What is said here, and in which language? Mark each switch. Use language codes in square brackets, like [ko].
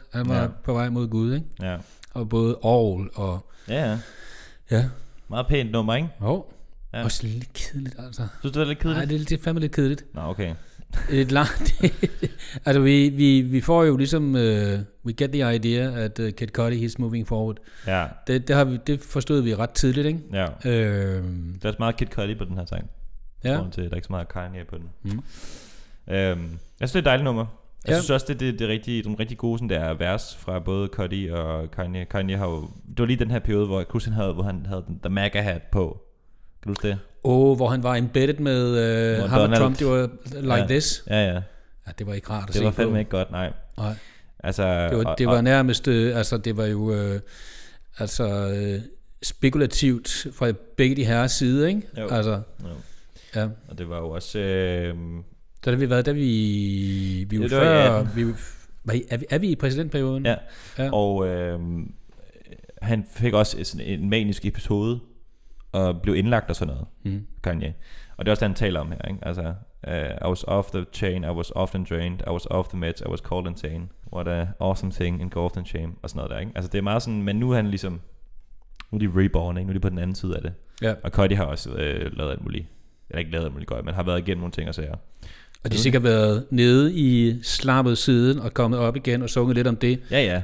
[da] Han var på vej mod Gud, ikke? Ja. Og både Aarhus og... Ja. Ja. Meget pænt nummer, ikke? Jo. Ja. Også lidt kedeligt, altså. Synes du, det er lidt kedeligt? Nej, det er fandme lidt kedeligt. Nå, okay. Et langt... altså, vi får jo ligesom... [en] we get the idea, at Kid Cudi, he's moving forward. [da] Ja. Det har vi, det forstod vi ret tidligt, ikke? Ja. Der er også meget Kid Cudi på den her sang. Ja. Forhold til, der er ikke så meget Kanye på den. Mm. Jeg synes, det er et dejligt nummer. Jeg synes også, det er rigtig gode sådan der vers fra både Cudi og Kanye. Kanye har jo... Det var lige den her periode, hvor Christian havde, hvor han havde den der MAGA hat på. Kan du huske det? Hvor han var embedded med ham og Trump, det var [en] like this. [da] Ja, ja. Ja, det var ikke rart at det se på. Det var fandme ikke godt, nej. Nej. Altså... Det var nærmest... altså, det var jo... altså... spekulativt fra begge de herres side, ikke? Jo. Altså... Jo. Ja. Og det var jo også... Så har vi været, da vi... Vi var før... Ja. Er vi i præsidentperioden? Ja. Ja. Og han fik også en manisk episode... og blev indlagt og sådan noget, Kanye. Og det er også det, han taler om her, ikke? [en] Altså, I was off the chain, I was often drained, I was off the meds, I was called insane. What a awesome thing, engulfed in shame, [da] og sådan noget der, ikke? Altså, det er meget sådan, men nu er han ligesom, nu er de reborn, ikke? Nu er de på den anden side af det. Ja. Og Cudi har også lavet alt muligt, eller ikke lavet alt muligt godt, men har været igennem nogle ting og sager. Og de har sikkert været nede i slappet siden, og kommet op igen og sunget lidt om det. Ja, ja.